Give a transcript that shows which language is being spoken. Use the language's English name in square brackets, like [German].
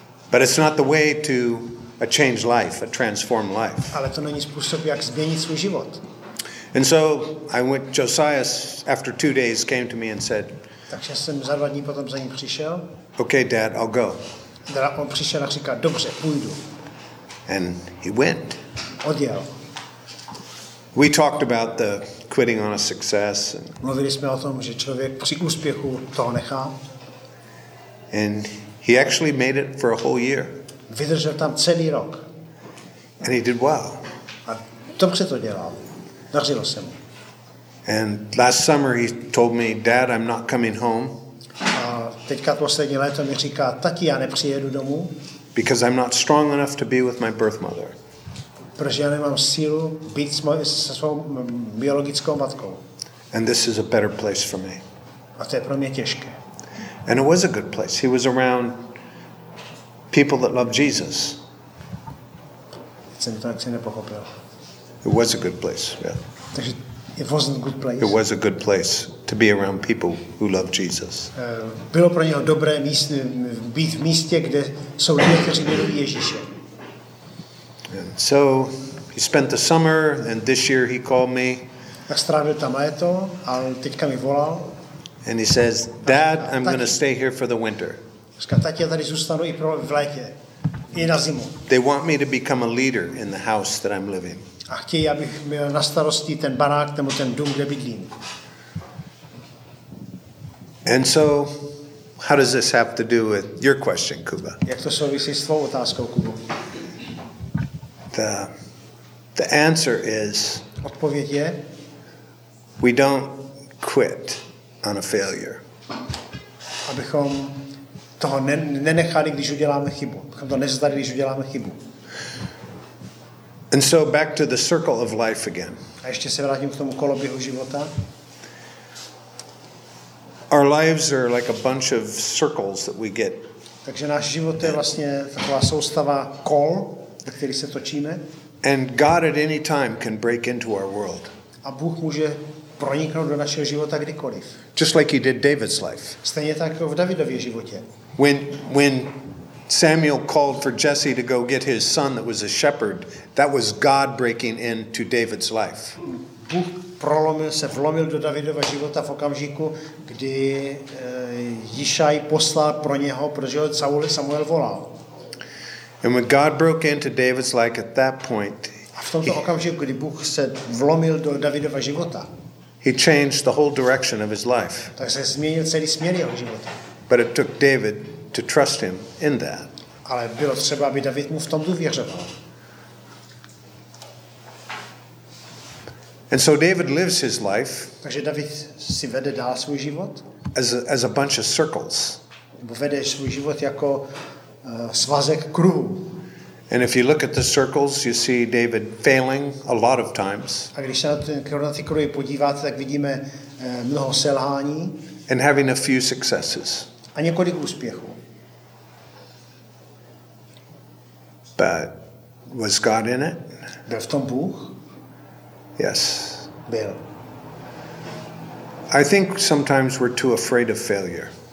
[English] But it's not the way to a change life, a transform life. [Czech] Ale to není způsob, jak změnit svůj život. [English] And so I went. Josias, after 2 days, came to me and said. [Czech] Takže jsem za 2 dny potom za ním přišel. [English] Okay, Dad, I'll go. [Czech] Teda on přišel a říká, dobře, půjdu. [English] And he went. [Czech] Odjel. [English] We talked about the quitting on a success. [Czech] Mluvili jsme o tom, že člověk při úspěchu toho nechá. [English] And he actually made it for a whole year. [Czech] Vydržel tam celý rok. [English] And he did well. [Czech] A dobře to dělal. Dařilo se mu. [English] And last summer he told me, Dad, I'm not coming home. [Czech] A teďka poslední léto mi říká, tati, já nepřijedu domů. [English] Because I'm not strong enough to be with my birth mother. [Czech] Protože já nemám sílu být se svou biologickou matkou. [English] And this is a better place for me. [Czech] A to je pro mě těžké. [English] And it was a good place. He was around people that love Jesus. [Czech] Jsem to asi nepochopil. [English] It was a good place, yeah. [Czech] Takže [English] it wasn't a good place. It was a good place to be around people who love Jesus. [Czech] Bylo pro něho dobré místo být v místě, kde jsou lidé, kteří milují Ježíše. [English] And so he spent the summer, and this year he called me. [Czech] Tak strávil tam léto, ale teďka mi volal. [English] And he says, Dad, I'm going to stay here for the winter. [Czech] Říká, tati, já tady zůstanu i pro v létě, i na zimu. [English] They want me to become a leader in the house that I'm living. [Czech] A chtějí, abych měl na starosti ten barák, nebo ten dům, kde bydlím. [English] And so, how does this have to do with your question, Kuba? [Czech] Jak to souvisí s tvou otázkou, Kubo? [English] The answer is, [Czech] odpověď je, [English] we don't quit on a failure. [Czech] Abychom toho nenechali, když uděláme chybu. Abychom to nezdali, když uděláme chybu. [English] And so back to the circle of life again. [Czech] A ještě se vrátím k tomu koloběhu života. [English] Our lives are like a bunch of circles that we get. [Czech] Takže náš život je vlastně taková soustava kol, ve který se točíme. [English] And God at any time can break into our world. [Czech] A Bůh může proniknout do našeho života kdykoliv. [English] Just like he did David's life. [Czech] Stejně tak v Davidově životě. [English] When Samuel called for Jesse to go get his son that was a shepherd, that was God breaking into David's life. [Czech] Bůh prolomil se, vlomil do Davidova života v okamžiku, kdy Jišaj poslal pro něho, protože Saul Samuel volal. [English] And when God broke into David's life at that point, [Czech] a v tomto okamžiku, kdy Bůh se vlomil do Davidova života, [English] he changed the whole direction of his life. [Czech] Tak se změnil celý směr jeho života. [English] But it took David to trust him in that. [Czech] Ale bylo třeba, aby David mu v tom důvěřoval. [English] And so David lives his life. [Czech] Takže David si vede dál svůj život. [English] As a bunch of circles. [Czech] Vede svůj život jako svazek kruhů. [English] And if you look at the circles, you see David failing a lot of times. [Czech] A když se na ty kruhy podíváte, tak vidíme mnoho selhání. [English] And having a few successes. [Czech] A několik úspěchů. [English] But was God in it? [Czech] Byl v tom Bůh? [English] Yes. [Czech] Byl. [English] I think sometimes we're too afraid of failure.